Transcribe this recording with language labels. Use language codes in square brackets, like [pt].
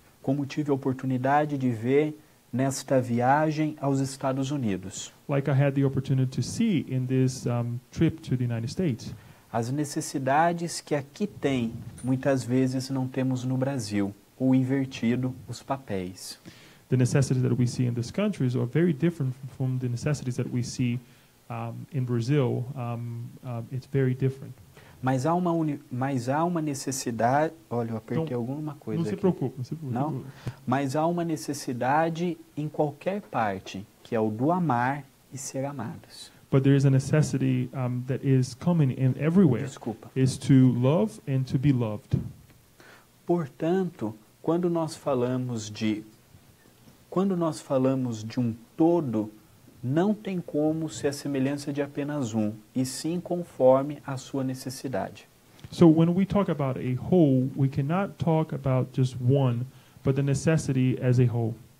[pt] Como tive a oportunidade de ver nesta viagem aos Estados Unidos. [en] Like I had the opportunity to see in this trip to the United States. [pt] As necessidades que aqui tem, muitas vezes não temos no Brasil, ou invertido os papéis. [en] The necessities that we see in this country are very different from the necessities that we see in Brazil. It's very different. [pt] Mas há uma necessidade, olha, eu apertei então, alguma coisa não aqui. Se preocupe, não se preocupe. Não? Mas há uma necessidade em qualquer parte, que é o do amar e ser amados. [en] But there is a necessity that is common in everywhere. [pt] Desculpa. [en] Is to love and to be loved. [pt] Portanto, quando nós falamos de um todo, não tem como ser a semelhança de apenas um, e sim conforme a sua necessidade. [en] So when we talk about a whole, we cannot talk about just one, but the necessity as a whole.